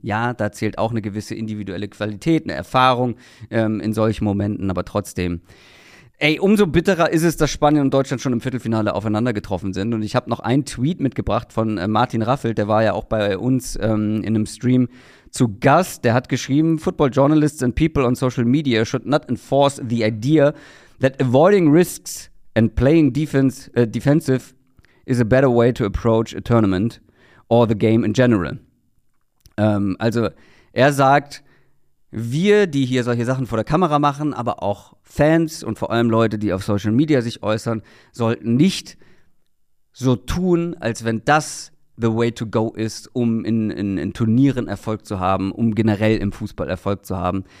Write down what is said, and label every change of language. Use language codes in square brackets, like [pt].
[de] Ja, da zählt auch eine gewisse individuelle Qualität, eine Erfahrung in solchen Momenten, aber trotzdem. Ey, umso bitterer ist es, dass Spanien und Deutschland schon im Viertelfinale aufeinander getroffen sind. Und ich habe noch einen Tweet mitgebracht von Martin Raffelt, der war ja auch bei uns in einem Stream zu Gast. Der hat geschrieben, [en] Football journalists and people on social media should not enforce the idea that avoiding risks and playing defensive is a better way to approach a tournament or the game in general. [de] Also er sagt, wir, die hier solche Sachen vor der Kamera machen, aber auch Fans und vor allem Leute, die auf Social Media sich äußern, sollten nicht so tun, als wenn das [en] the way to go [de] ist, um in Turnieren Erfolg zu haben, um generell im Fußball Erfolg zu haben.